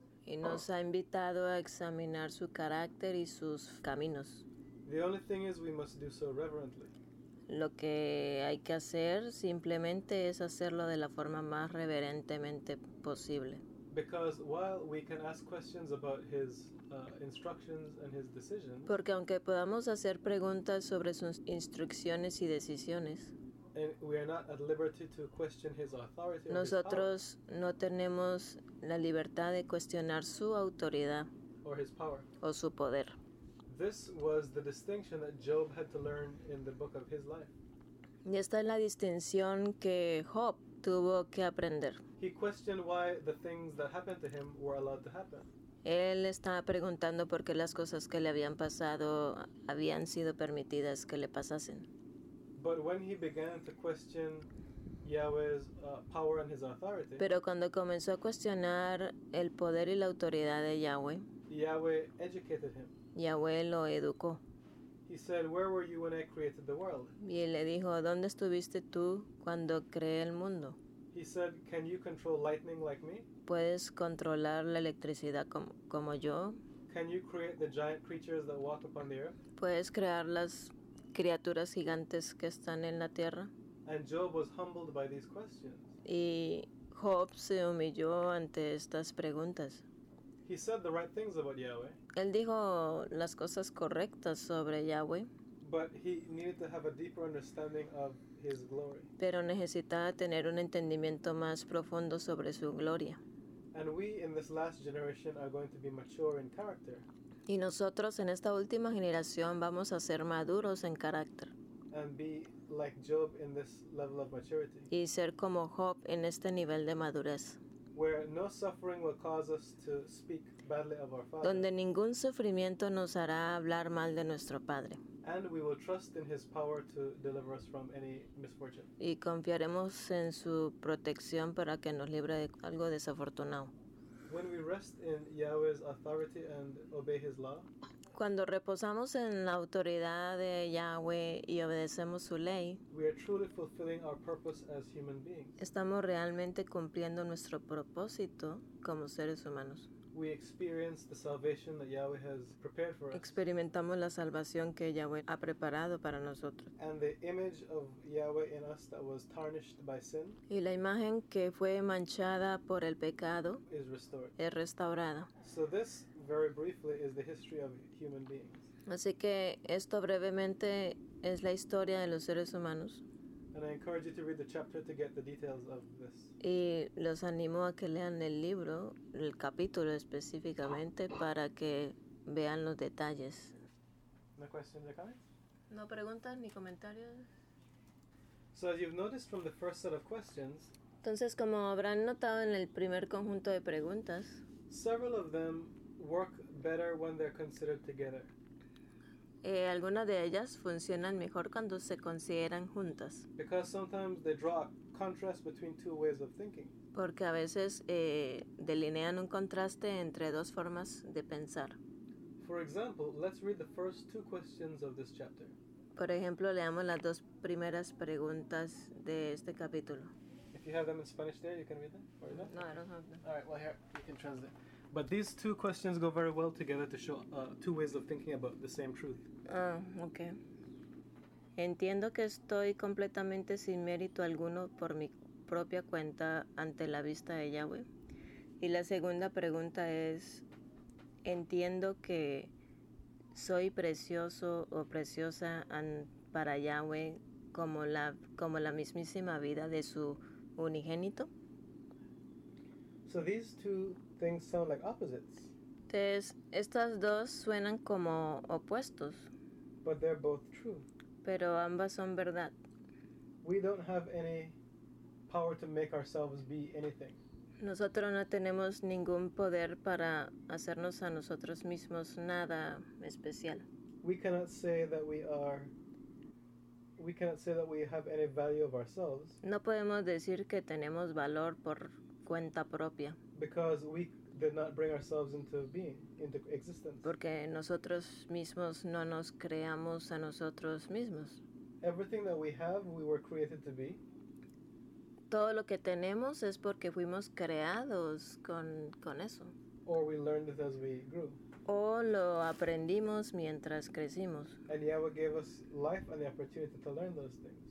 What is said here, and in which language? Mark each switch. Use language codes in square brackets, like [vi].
[es] Y nos ha invitado a examinar su carácter y sus caminos. [en] The only thing is we must do so reverently. [es] Lo que hay que hacer simplemente es hacerlo de la forma más reverentemente posible. [en] Because while we can ask questions about his instructions and his decisions, [es] porque aunque podamos hacer preguntas sobre sus instrucciones y decisiones, [en] and we are not at liberty to question his authority, [es] nosotros [en] or his power, [es] no tenemos la libertad de cuestionar su autoridad [en] or his power, [es] o su poder. [en] This was the distinction that Job had to learn in the book of his life. [es] Y esta es la distinción que Job tuvo que aprender. [en] He questioned why the things that happened to him were allowed to happen. [es] Él estaba preguntando por qué las cosas que le habían pasado habían sido permitidas que le pasasen. [en] But when he began to question Yahweh's power and his authority, [es] pero cuando comenzó a cuestionar el poder y la autoridad de Yahweh, [en] Yahweh educated him. [es] Yahweh lo educó. [en] He said, "Where were you when I created the world?" [es] Y él le dijo, ¿dónde estuviste tú cuando creé el mundo? [en] He said, "Can you control lightning like me?" [es] ¿Puedes controlar la electricidad como yo? [en] Can you create the giant creatures that walk upon the earth? [es] ¿Puedes crear las criaturas gigantes que están en la tierra? [en] And Job was humbled by these questions. [es] Y Job se humilló ante estas preguntas. [en] He said the right things about Yahweh. [es] Él dijo las cosas correctas sobre Yahweh. [en] But he needed to have a deeper understanding of his glory. [es] Pero necesitaba tener un entendimiento más profundo sobre su gloria. [en] And we in this last generation are going to be mature in character. [es] Y nosotros en esta última generación vamos a ser maduros en carácter. [en] And be like Job in this level of maturity. [es] Y ser como Job en este nivel de madurez. [en] Where no suffering will cause us to speak badly of our father. [es] Donde ningún sufrimiento nos hará hablar mal de nuestro padre. [en] And we will trust in his power to deliver us from any misfortune. [es] Y confiaremos en su protección para que nos libre de algo desafortunado. [en] When we rest in Yahweh's authority and obey his law. [es] Cuando reposamos en la autoridad de Yahweh y obedecemos su ley, [en] we are truly fulfilling our purpose as human beings. [es] Estamos realmente cumpliendo nuestro propósito como seres humanos. [en] We experience the salvation that Yahweh has prepared for us. [es] Experimentamos la salvación que Yahweh ha preparado para nosotros. [en] And the image of Yahweh in us that was tarnished by sin. [es] Y la imagen que fue manchada por el pecado [en] is restored. [es] Es restaurada. [en] So this very briefly is the history of human beings. [es] Así que esto brevemente es la historia de los seres humanos. [en] And I encourage you to read the chapter to get the details of this. [es] Y los animo a que lean el libro, el capítulo específicamente, para que vean los detalles. [en] No questions or comments? [es] No preguntas ni comentarios. [en] So as you've noticed from the first set of questions, [es] entonces como habrán notado en el primer conjunto de preguntas, [en] several of them work better when they're considered together. [es] Algunas de ellas funcionan mejor cuando se consideran juntas. [en] Because sometimes they draw a contrast between two ways of thinking. [es] Porque a veces delinean un contraste entre dos formas de pensar. [en] For example, let's read the first two questions of this chapter. [es] Por ejemplo, leamos las dos primeras preguntas de este capítulo. [en] If you have them in Spanish there, you can read them, or not? No, I don't have them. All right, well, here, you can translate. But these two questions go very well together to show two ways of thinking about the same truth. Ah, okay. [es] Entiendo que estoy completamente sin mérito alguno por mi propia cuenta ante la vista de Yahweh. Y la segunda pregunta es, entiendo que soy precioso o preciosa para Yahweh como la mismísima vida de su unigénito. [en] So these two things sound like opposites. [es] Entonces, estas dos suenan como opuestos. [en] But they're both true. [es] Pero ambas son verdad. [en] We don't have any power to make ourselves be anything. [es] Nosotros no tenemos ningún poder para hacernos a nosotros mismos nada especial. [en] We cannot say that we have any value of ourselves. [es] No podemos decir que tenemos valor por cuenta propia. [en] Because we did not bring ourselves into being, into existence. [es] Porque nosotros mismos no nos creamos a nosotros mismos. [en] Everything that we have, we were created to be. [es] Todo lo que tenemos es porque fuimos creados con eso. [en] Or we learned it as we grew. [es] O lo aprendimos mientras crecimos. [en] And Yahweh gave us life and the opportunity to learn those things.